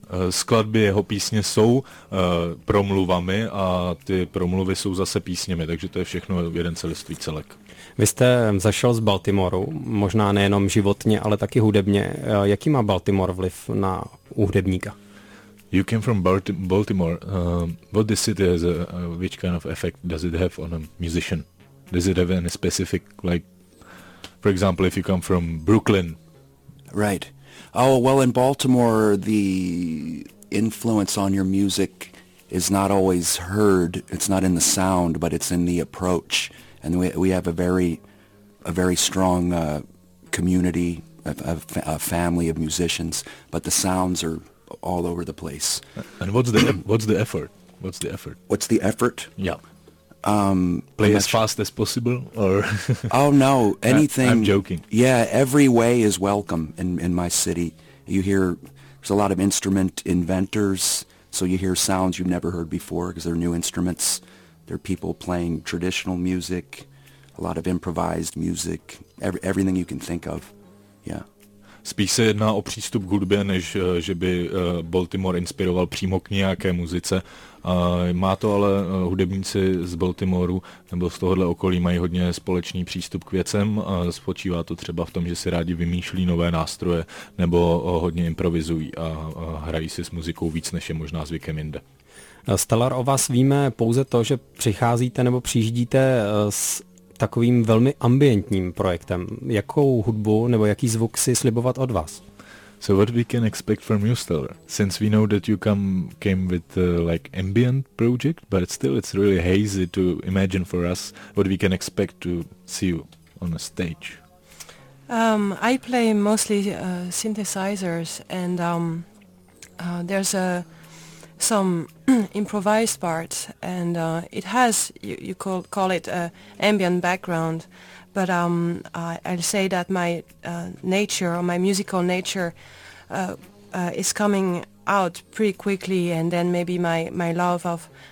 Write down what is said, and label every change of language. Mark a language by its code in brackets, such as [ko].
[cs] Skladby jeho písně jsou promluvami a ty promluvy jsou zase písněmi, takže to je všechno jeden celistvý celek. Vy jste zašel z Baltimoru, možná nejenom životně, ale taky hudebně. Jaký má Baltimore vliv na hudebníka? [en] You came from Baltimore. What the city has, which kind of effect does it have on a musician? Does it have any specific, like, for example, if you come from Brooklyn? Right. Oh, well, in Baltimore, the influence on your music is not always heard. It's not in the sound, but it's in the approach. And we have a very strong community of family of musicians, but the sounds are all over the place. And what's the effort? What's the effort? Yeah. Play as fast as possible, or? Oh no! Anything. I'm joking. Yeah, every way is welcome in my city. You hear there's a lot of instrument inventors, so you hear sounds you've never heard before because they're new instruments. There are people playing traditional music, a lot of improvised music, everything you can think of, yeah. [cs] Spíš se jedná o přístup k hudbě, než že by Baltimore inspiroval přímo k nějaké muzice. Má to ale hudebníci z Baltimoru nebo z tohohle okolí mají hodně společný přístup k věcem. Spočívá to třeba v tom, že si rádi vymýšlí nové nástroje nebo hodně improvizují a hrají si s muzikou víc, než je možná zvykem jinde. Stellar, o vás víme pouze to, že přicházíte nebo přijíždíte s takovým velmi ambientním projektem. Jakou hudbu nebo jaký zvuk si slibovat od vás? [en] So what we can expect from you, Stellar? Since we know that you came with like ambient project, but still it's really hazy to imagine for us what we can expect to see you on a stage. I play mostly synthesizers and there's a some improvised parts, and it has you call it a ambient background, but I'll say that my nature or my musical nature is coming out pretty quickly, and then maybe my love of